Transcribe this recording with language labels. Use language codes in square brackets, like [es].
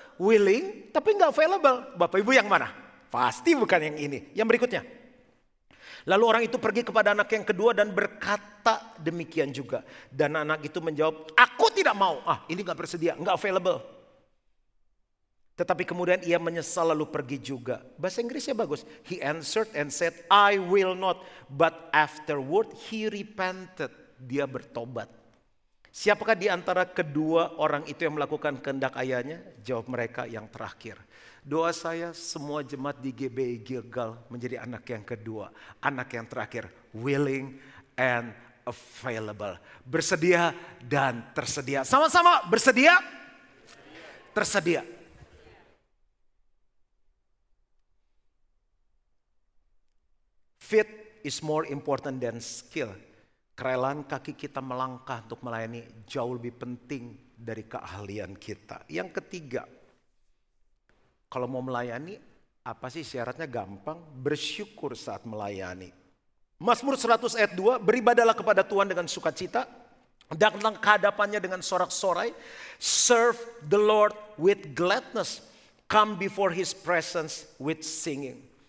[id] Willing, tapi enggak available. Bapak ibu yang mana? Pasti bukan yang ini. Yang berikutnya. Lalu orang itu pergi kepada anak yang kedua dan berkata demikian juga. Dan anak itu menjawab, aku tidak mau. Ah, ini enggak bersedia, enggak available. Tetapi kemudian ia menyesal lalu pergi juga. Bahasa Inggrisnya bagus. [en] He answered and said, I will not. But afterward he repented. [id] dia bertobat. Siapakah di antara kedua orang itu yang melakukan kehendak ayahnya? Jawab mereka, yang terakhir. Doa saya semua jemaat di GBI Gilgal menjadi anak yang kedua, anak yang terakhir, [en] willing and available. [id] Bersedia dan tersedia. Sama-sama bersedia, tersedia. [en] Fit is more important than skill. [id] Kerelaan kaki kita melangkah untuk melayani jauh lebih penting dari keahlian kita. Yang ketiga, kalau mau melayani, apa sih syaratnya? Gampang, bersyukur saat melayani. Mazmur 100 ayat 2, beribadalah kepada Tuhan dengan sukacita, datang ke hadapannya dengan sorak-sorai, [en] serve the Lord with gladness, come before his presence with singing.